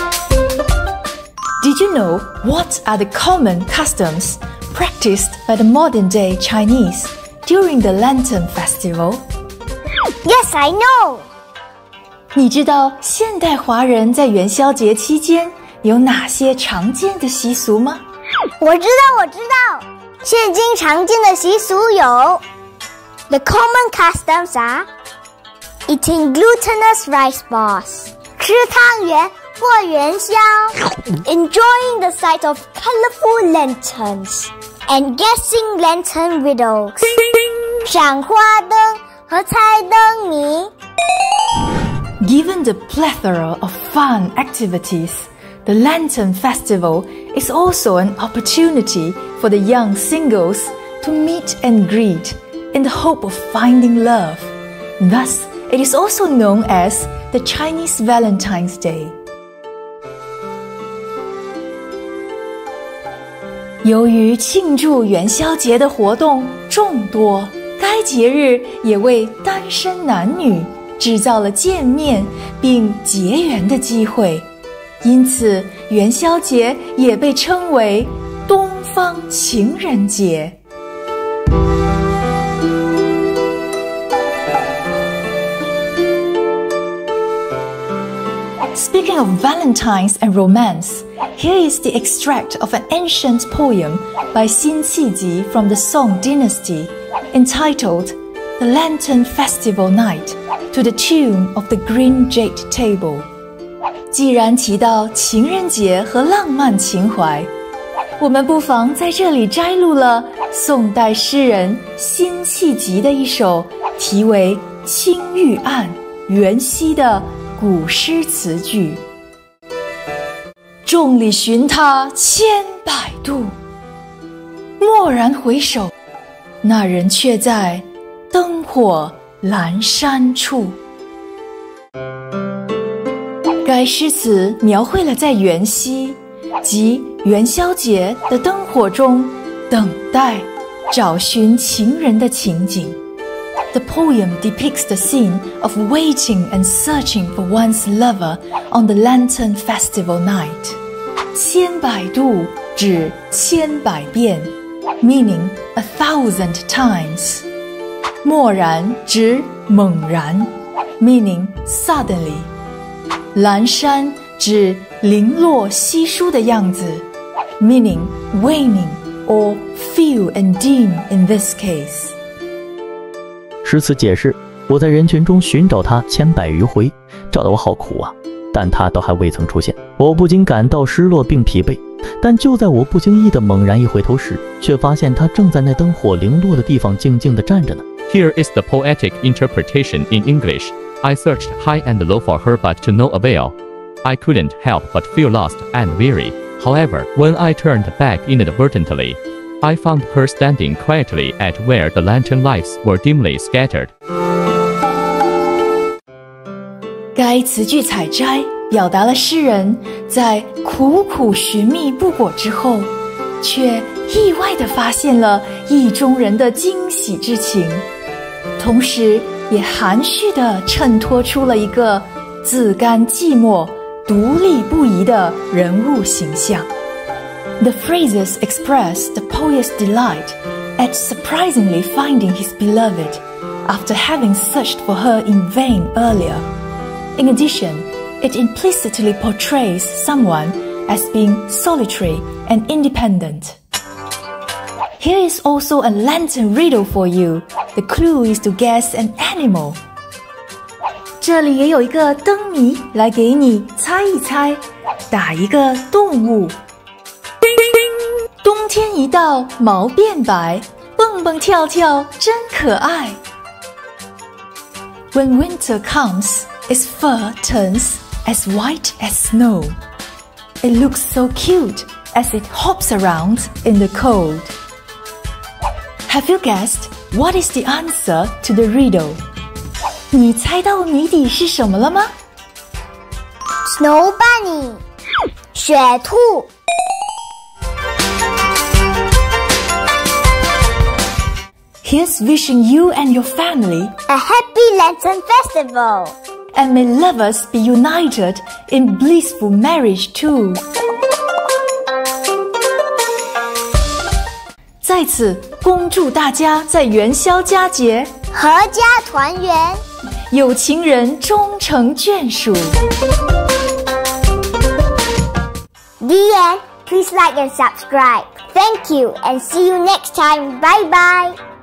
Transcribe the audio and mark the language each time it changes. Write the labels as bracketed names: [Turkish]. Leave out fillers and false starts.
[English] Did you know what are the common customs practiced by the modern day Chinese during the Lantern Festival? Yes, I know. [Chinese] 你知道现代华人在元宵节期间有哪些常见的习俗吗？我知道。现今常见的习俗有 [English] The common customs are Eating glutinous rice balls [Chinese] 吃汤圆过元宵 [English] Enjoying the sight of colorful lanterns And guessing lantern riddles [Chinese] 赏花灯和猜灯谜 [English] Given the plethora of fun activitiesThe Lantern Festival is also an opportunity for the young singles to meet and greet in the hope of finding love. Thus, it is also known as the Chinese Valentine's Day. [Chinese] 由于庆祝元宵节的活动众多，该节日也为单身男女制造了见面并结缘的机会。因此元宵节也被称为东方情人节。 [English] Speaking of Valentine's and romance, here is the extract of an ancient poem by 辛弃疾 from the Song Dynasty entitled The Lantern Festival Night to the Tune of the Green Jade Table. [Chinese] 既然提到情人节和浪漫情怀，我们不妨在这里摘录了宋代诗人辛弃疾的一首题为《青玉案·元夕》的古诗词句：“众里寻他千百度，蓦然回首，那人却在灯火阑珊处。” 该诗词描绘了在元夕即元宵节的灯火中等待找寻情人的情景。 [English] The poem depicts the scene of waiting and searching for one's lover on the Lantern Festival night. [Chinese] 千百度指千百遍 [English] meaning a thousand times. [Chinese] 蓦然指猛然 [English] meaning suddenly. [Chinese] 阑珊指零落稀疏的样子 [English] meaning waning or few and dim in this case. [Chinese] 诗词解释，我在人群中寻找他千百余回，找得我好苦啊，但他都还未曾出现，我不禁感到失落并疲惫，但就在我不经意地猛然一回头时，却发现他正在那灯火零落的地方静静地站着呢。 [English] Here is the poetic interpretation in English. I searched high and low for her but to no avail. I couldn't help but feel lost and weary. However, when I turned back inadvertently, I found her standing quietly at where the lantern lights were dimly scattered. [Chinese] 该词句采摘表达了诗人在苦苦寻觅不果之后，却意外地发现了意中人的惊喜之情，同时也含蓄地衬托出了一个自甘寂寞、独立不移的人物形象。 [English] The phrases express the poet's delight at surprisingly finding his beloved after having searched for her in vain earlier. In addition, it implicitly portrays someone as being solitary and independent. Here is also a lantern riddle for you. The clue is to guess an animal. [Chinese] 这里也有一个灯谜来给你猜一猜，打一个动物。叮叮叮！冬天一到，毛变白，蹦蹦跳跳真可爱。 [English] When winter comes, its fur turns as white as snow. It looks so cute as it hops around in the cold. Have you guessed what is the answer to the riddle? [Chinese] 你猜到谜底是什么了吗？ [English] Snow Bunny 雪兔。 He's wishing you and your family a happy lantern festival. And may lovers be united in blissful marriage too. [Chinese] 在此恭祝大家在元宵佳节合家团圆，有情人终成眷属。 [English] The end. Please like and subscribe. Thank you and see you next time. Bye bye.